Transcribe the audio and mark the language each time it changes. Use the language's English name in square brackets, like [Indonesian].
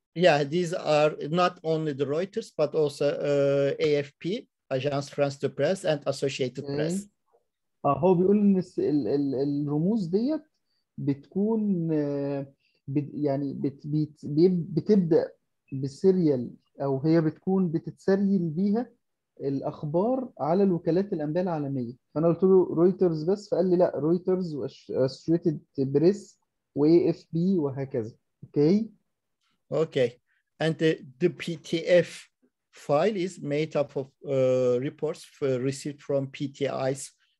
[English] Yeah, these are not only the Reuters, but also AFP, Agence France de Presse and Associated okay. Press. [Arabic] هو بيقول ان الرموز ديت بتكون يعني بتبدا بسيريال، او هي بتكون بتتسريل بيها الاخبار على الوكالات الانباء العالميه. فانا قلت له رويترز بس، فقال لي لا، رويترز واسوشيتد بريس واي اف بي وهكذا. [English] Okay. Okay. And the PTF file is made up of reports received from PTIs.